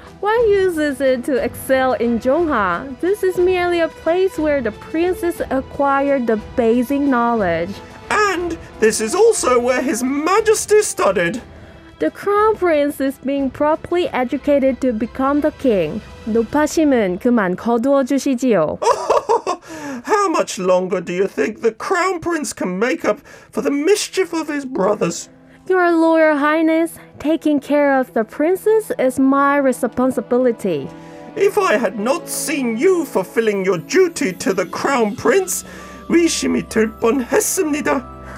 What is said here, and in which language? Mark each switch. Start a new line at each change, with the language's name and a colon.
English: Why uses it to excel in 종학? This is merely a place where the princes acquired the basic knowledge. And this is also where His Majesty studied. The crown prince is being properly educated to become the king.
Korean: 노파심은 그만 거두어 주시지요.
English: How much longer do you think the crown prince can make up for the mischief of his brothers? Your Royal Highness, taking care of the princes is my responsibility. If I had not seen you fulfilling your duty to the crown prince,
Korean: 의심이 들 뻔했습니다.